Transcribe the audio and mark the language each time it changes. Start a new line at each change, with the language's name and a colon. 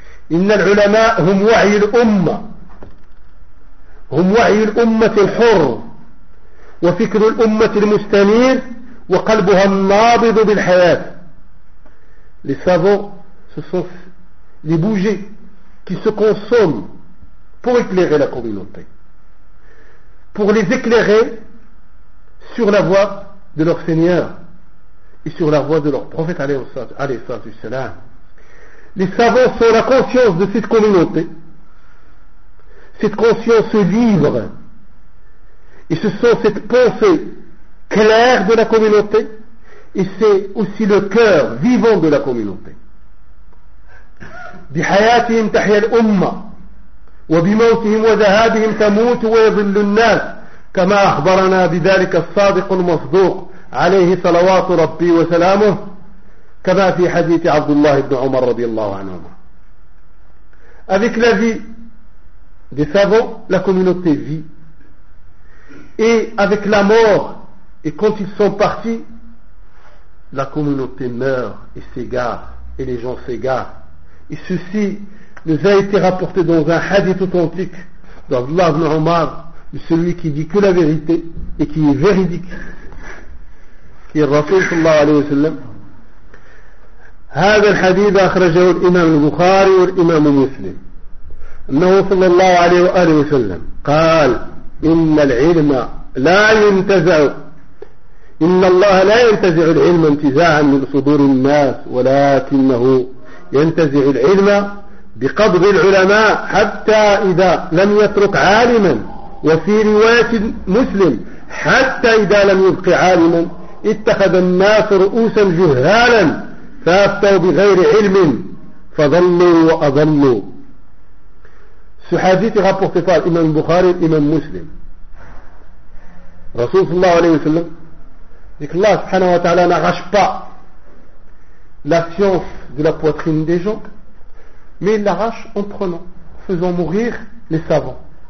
Arabic: Inna al-ulama hum wa'i al-umma, هم وعي الأمة الحر وفكر الأمة المستنير وقلبها النابض بالحياة.
French: Les savants, ce sont les bougies qui se consomment pour éclairer la communauté, pour les éclairer sur la voie de leur Seigneur et sur la voie de leur prophète alayhi salam. Les savants sont la conscience de cette communauté. Cette conscience libre, et ce sont cette pensée claire de la communauté, et c'est aussi le cœur vivant de la communauté.
Arabic: بحياتهم تحيا الأمة وبموتهم وذهابهم تموت ويظل الناس كما أخبرنا بذلك الصادق المصدوق عليه صلوات ربي وسلامه كما في حديث عبد الله بن عمر رضي الله عنهما.
French: Avec la vie des savants, la communauté vit. Et avec la mort, et quand ils sont partis, la communauté meurt et s'égare, et les gens s'égarent. Et ceci nous a été rapporté dans un hadith authentique d'Abdullah ibn Omar, celui qui dit que la vérité et qui est véridique, qui est Rasul sallallahu alayhi wa sallam.
Arabic: هذا الحديث أخرجه الإمام البخاري والإمام مسلم أنه صلى الله عليه وآله وسلم قال إن العلم لا ينتزع, إن الله لا ينتزع العلم انتزاعا من صدور الناس, ولكنه ينتزع العلم بقبض العلماء حتى إذا لم يترك عالما, وفي رواية مسلم حتى إذا لم يبق عالما اتخذ الناس رؤوسا جهالا فافتوا بغير علم فضلوا وأضلوا.
French: Ce hadith est rapporté par l'imam Bukhari et l'imam Muslim. Rasul sallallahu alayhi wa sallam dit que Allah subhanahu wa ta'ala n'arrache pas la science de la poitrine des gens, mais il l'arrache en prenant, en faisant mourir les savants.